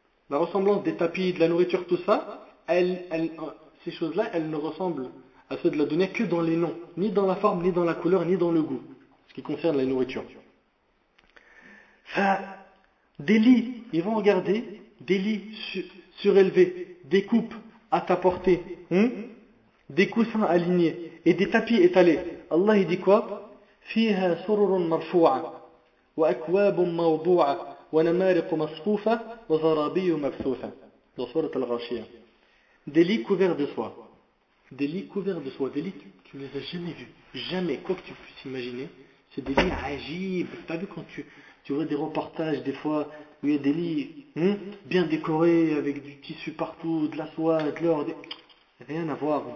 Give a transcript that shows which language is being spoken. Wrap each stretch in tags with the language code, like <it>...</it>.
<fr>La ressemblance des tapis, de la nourriture, tout ça, ces choses-là, elles ne ressemblent à ceux de la dunya que dans les noms, ni dans la forme, ni dans la couleur, ni dans le goût, ce qui concerne la nourriture. Ça, des lits, ils vont regarder, des lits surélevé, des coupes à ta portée, des coussins alignés et des tapis étalés. Allah il dit quoi?</fr> <ar>فيها سرر مرفوعة وأكواب موضوعة ونمارق مصفوفة وزرابي مبثوثة.</ar> <fr>Dans Sourate Al-Ghashiyah. Des lits couverts de soie. Des lits couverts de soie. Des lits, tu ne les as jamais vus. Jamais. Quoi que tu puisses imaginer. C'est des lits agibles. T'as vu quand tu vois des reportages des fois où il y a des lits bien décorés avec du tissu partout, de la soie, de l'or. Rien à voir.</fr>